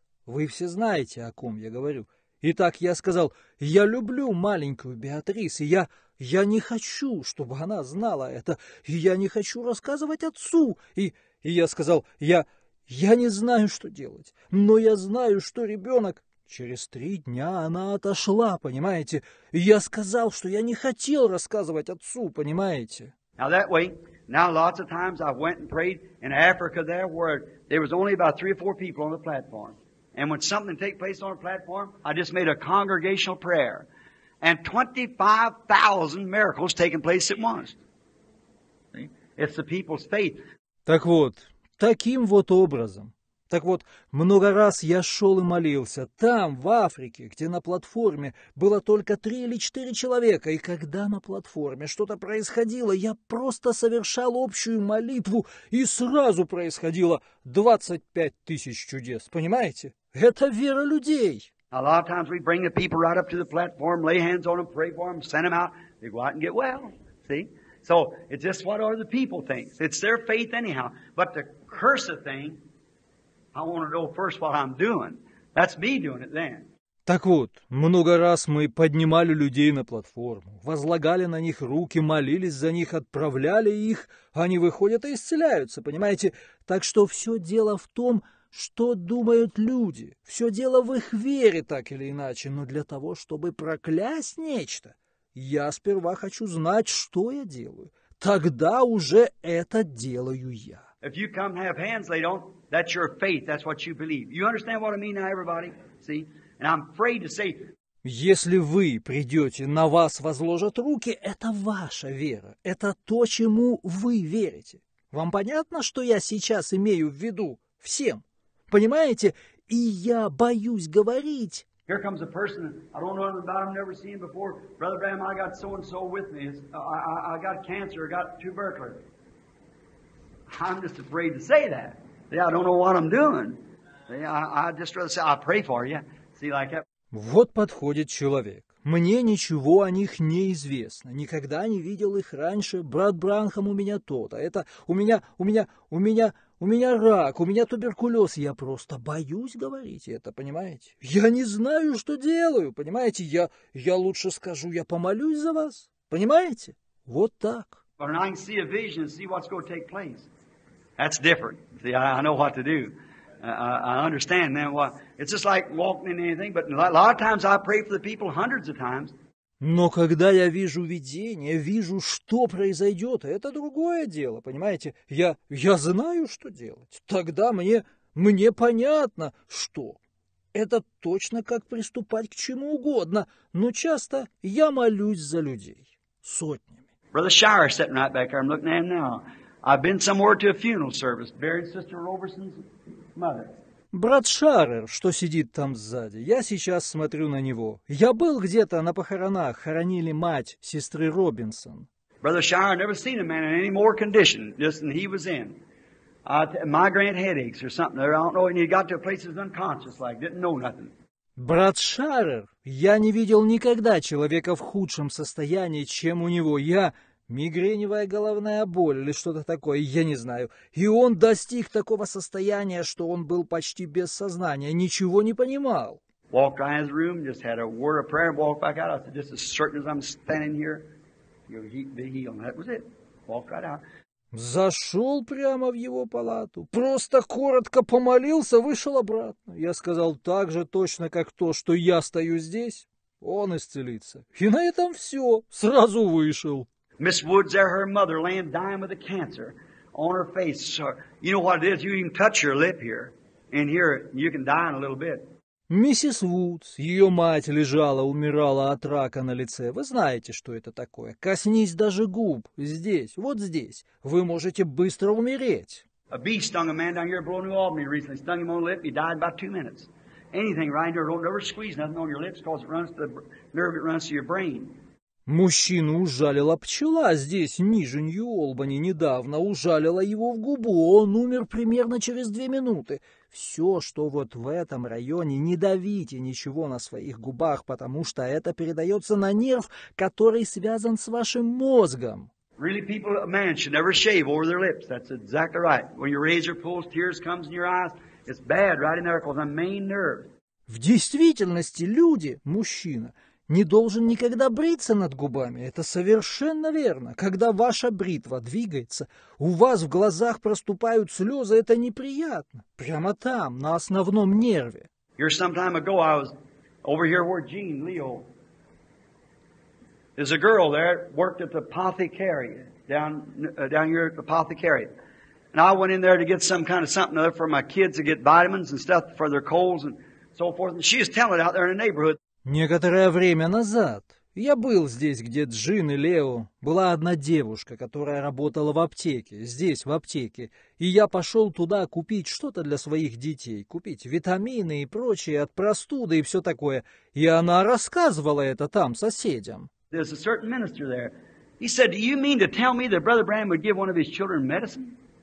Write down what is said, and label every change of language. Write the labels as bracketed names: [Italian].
[Russian] Вы все знаете, о ком я говорю. Итак, я сказал, я люблю маленькую Беатрис, и я не хочу, чтобы она знала это, и я не хочу рассказывать отцу. И я сказал, я не знаю, что делать, но я знаю, что ребенок... Через 3 дня она отошла, понимаете? И я сказал, что я не хотел рассказывать отцу, понимаете? [English] Now that way, now lots of times I went and prayed in Africa there where there was only about 3 or 4 people on the platform. And when something take place on a platform, I just made a congregational prayer. And 25,000 miracles taking place at once. See? It's the people's faith. [Russian] Так вот, таким вот образом. Так вот, много раз я шел и молился там, в Африке, где на платформе было только 3 или 4 человека, и когда на платформе что-то происходило, я просто совершал общую молитву, и сразу происходило 25 000 чудес, понимаете? Это вера людей. [English] A lot of times we bring the people right up to the platform, lay hands on them, pray for them, send them out, they go out and get well, see? So, it's just what are the people think. It's their faith anyhow, but the curse of thing... I want to know first what I'm doing. That's me doing it then. [Russian] Так вот, много раз мы поднимали людей на платформу, возлагали на них руки, молились за них, отправляли их, они выходят и исцеляются, понимаете? Так что все дело в том, что думают люди. Все дело в их вере, так или иначе. Но для того, чтобы проклясть нечто, я сперва хочу знать, что я делаю. Тогда уже это делаю я. [English] If you come have hands laid on, that's your faith, that's what you believe. You understand what I mean now, everybody? See? And I'm afraid to say... [Russian] Если вы придете, на вас возложат руки, это ваша вера. Это то, чему вы верите. Вам понятно, что я сейчас имею в виду всем? Понимаете? И я боюсь говорить... [English] Here comes a person, I don't know anything about him, never seen him before. Brother Bram, I got so-and-so with me. I got cancer, I got tuberculosis. I'm just afraid to say that. See, I don't know what I'm doing. I just rather say, I pray for you. See, like that. [Russian] Вот подходит человек. Мне ничего о них не известно. Никогда не видел их раньше. Брат Бранхам у меня тот, а это у меня рак, у меня туберкулез. Я просто боюсь говорить это, понимаете? Я не знаю, что делаю, понимаете? Я лучше скажу, я помолюсь за вас, понимаете? Вот так. [English] But I can see a vision and see what's going to take place. That's different. See, I know what to do. I understand now. It's just like walking in anything, but a lot of times I pray for the people hundreds of times. [Russian] Но когда я вижу видение, вижу, что произойдет, это другое дело, понимаете? Я знаю, что делать. Тогда мне понятно, что. Это точно как приступать к чему угодно, но часто я молюсь за людей. Сотни. [English] Brother Shire sitting right back there. I'm looking at him now. I've been somewhere to a funeral service, buried Sister Roberson's mother. [Russian] Брат Шарер, что сидит там сзади, я сейчас смотрю на него. Я был где-то на похоронах, хоронили мать сестры Робинсон. [English] Brother Shire, I've never seen a man in any more condition than he was in. Migraine headaches or something. I don't know. And he got to a place he was unconscious, like didn't know nothing. [Russian] Брат Шарер, я не видел никогда человека в худшем состоянии, чем у него. Я мигреневая головная боль или что-то такое, я не знаю. И он достиг такого состояния, что он был почти без сознания, ничего не понимал. [English] Walked out of his room, just had a word of prayer, walked back out. I said, just as certain as I'm standing here, you'll be healed. That was it. Walked right out. [Russian] Зашел прямо в его палату, просто коротко помолился, вышел обратно. Я сказал так же точно, как то, что я стою здесь, он исцелится. И на этом все, сразу вышел. [English] Miss Woods there, her mother laying dying with a cancer on her face. So, you know what it is, you even touch your lip here, and here you can die in a little bit. [Russian] Миссис Вудс, ее мать лежала, умирала от рака на лице. Вы знаете, что это такое. Коснись даже губ. Здесь, вот здесь. Вы можете быстро умереть. [English] A bee stung a man down here blowing New Albany recently. Stung him on the lip, he died about 2 minutes. Anything right there, don't ever squeeze nothing on your lips because it runs to the nerve, it runs to your brain. [Russian] Мужчину ужалила пчела здесь, ниже Нью-Олбани, недавно ужалила его в губу. Он умер примерно через 2 минуты. Все, что вот в этом районе, не давите ничего на своих губах, потому что это передается на нерв, который связан с вашим мозгом. [English] Really, people, a man should never shave over their lips. That's exactly right. When your razor pulls, tears comes in your eyes, it's bad right in there because the main nerve. [Russian] В действительности, люди, мужчина, не должен никогда бриться над губами, это совершенно верно. Когда ваша бритва двигается, у вас в глазах проступают слезы, это неприятно. Прямо там, на основном нерве. [English] Here some time ago I was over here where Jean Leo. There's a girl there worked at the apothecary, down here at the apothecary. And I went in there to get some kind of something other for my kids to get vitamins and stuff for their colds and so forth. And she was telling it out there in the neighborhood. [Russian] Некоторое время назад я был здесь, где Джин и Лео. Была одна девушка, которая работала в аптеке, здесь, в аптеке. И я пошел туда купить что-то для своих детей, купить витамины и прочее от простуды и все такое. И она рассказывала это там соседям. [English] There's a certain minister there. He said, do you mean to tell me that Brother Branham would give one of his children medicine?